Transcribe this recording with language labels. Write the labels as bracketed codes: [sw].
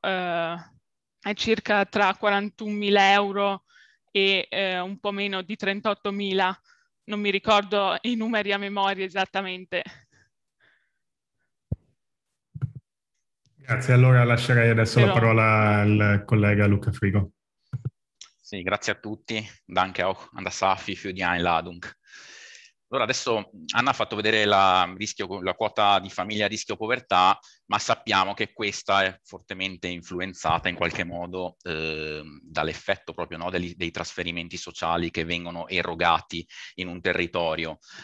[it] è circa tra 41.000 euro e un po' meno di 38.000. Non mi ricordo i numeri a memoria esattamente. Grazie, allora lascerei adesso la parola al collega Luca Frigo. Sì, grazie a tutti. [de] Danke auch an das AFI für die Einladung. [it] Allora adesso Anna ha fatto vedere la quota di famiglia a rischio povertà, ma sappiamo che questa è fortemente influenzata in qualche modo dall'effetto proprio, no, dei trasferimenti sociali che vengono erogati in un territorio.